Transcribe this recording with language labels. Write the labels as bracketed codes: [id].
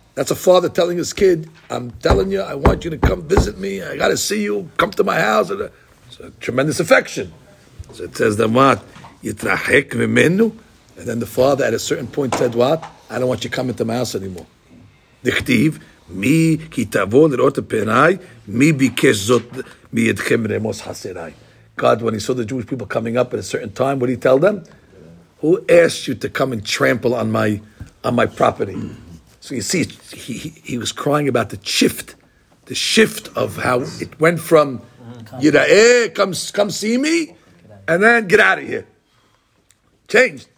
[en] That's a father telling his kid, I'm telling you, I want you to come visit me. I got to see you. Come to my house. It's a tremendous affection. So it says, then what? [he] יתרחק ממנו? [en] And then the father at a certain point said, what? I don't want you coming to my house anymore. דכתיב, [he] מי כי תבוא לראות פניי, מי ביקש זאת מידכם רמוס חסריי. [en] God, when he saw the Jewish people coming up at a certain time, what did he tell them? Who asked you to come and trample on my property? So you see, he was crying about the shift of how it went from Yira'eh, come see me, and then get out of here. Changed.